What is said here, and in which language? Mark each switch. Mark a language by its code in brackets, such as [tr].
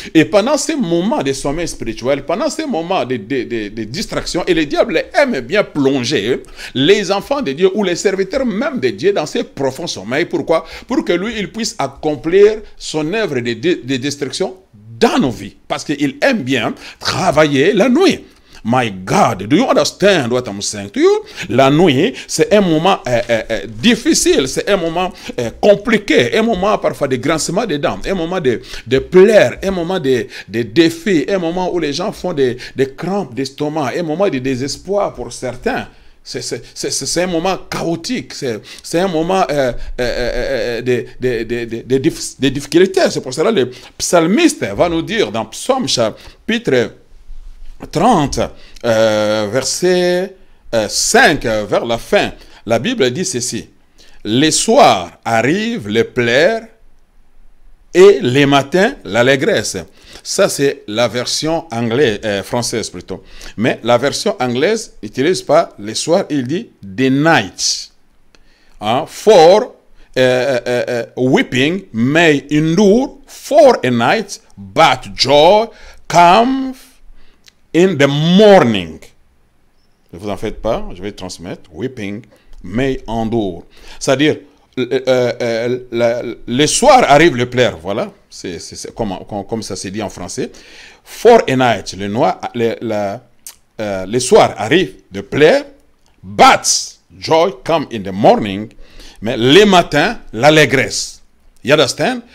[fr] Et pendant ces moments de sommeil spirituel, pendant ces moments de distraction, et le diable aime bien plonger les enfants de Dieu ou les serviteurs même de Dieu dans ces profonds sommeils. Pourquoi? Pour que lui, il puisse accomplir son œuvre de destruction dans nos vies. Parce qu'il aime bien travailler la nuit. [en] My God, do you understand what I'm saying to you? [fr] La nuit, c'est un moment difficile, c'est un moment compliqué, un moment parfois de grincement des dents, un moment de plaire, un moment de défis, un moment où les gens font des crampes d'estomac, un moment de désespoir pour certains. C'est un moment chaotique, c'est un moment de difficulté. C'est pour cela que le psalmiste va nous dire dans Psaume chapitre 30, verset 5, vers la fin, la Bible dit ceci. Les soirs arrivent, les pleurs, et les matins, l'allégresse. Ça, c'est la version anglaise, française plutôt. Mais la version anglaise n'utilise pas les soirs, il dit [en] the night. [fr] Hein? [en] For weeping may endure for a night, but joy comes in the morning. [fr] Ne vous en faites pas, je vais transmettre. [en] Weeping may endure. [fr] C'est-à-dire, les soirs arrivent, le plaire, voilà. C'est comme ça s'est dit en français. [en] For a night, [fr] les soirs arrivent de plaire, [en] but joy come in the morning, [fr] mais les matins, l'allégresse. [en] You understand?